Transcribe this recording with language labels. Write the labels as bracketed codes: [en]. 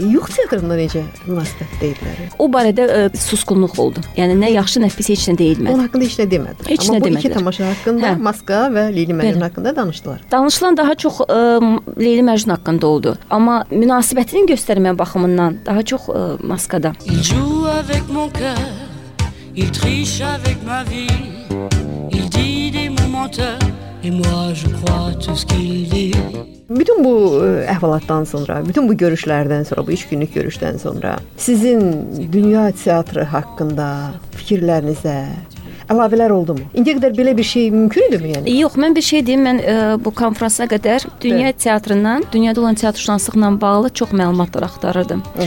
[az] Yux teatrında necə münasibət deyirlər? O barədə susqunluq oldu. Yəni nə yaxşı, nə pis, heç nə deyilmədi. Onun haqqında heç nə demədi. Heç amma nə bu demədilər. İki tamaşa haqqında, hə, maska və Leyli Məcnun haqqında danışdılar. Danışılan daha çox Leyli Məcnun haqqında oldu. Amma münasibətini göstərməyə baxımından daha çox maskada. [fr] Il joue avec mon cœur, il triche avec ma vie, il dit des menteurs, et moi je crois tout ce qu'il dit. [az] Bütün bu əhvalatdan sonra, bütün bu görüşlərdən sonra, bu 3 günlük görüşdən sonra sizin dünya teatrı haqqında fikirlərinizə əlavələr oldu mu? İndiyə qədər belə bir şey mümkün idi mi yəni? Yox, mən bir şey deyim, mən bu konfransa qədər dünya teatrından, dünyada olan teatrşünaslıqla bağlı çox məlumatlar axtarırdım.